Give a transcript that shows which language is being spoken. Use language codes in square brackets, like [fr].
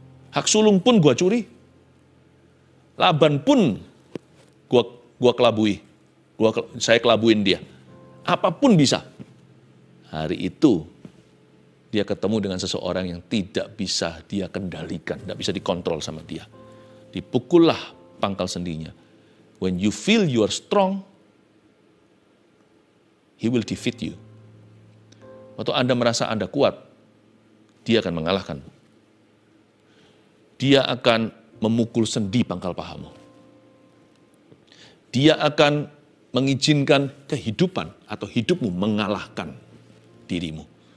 [id] Hak sulung pun gue curi. Laban pun gue kelabui. Saya kelabuin dia. Apapun bisa. Hari itu dia ketemu dengan seseorang yang tidak bisa dia kendalikan. Gak bisa dikontrol sama dia. Dipukullah pangkal sendinya. [en] When you feel you are strong, he will defeat you. [id] Waktu Anda merasa Anda kuat, dia akan mengalahkan. Dia akan memukul sendi pangkal pahamu. Dia akan mengizinkan kehidupan atau hidupmu mengalahkan dirimu.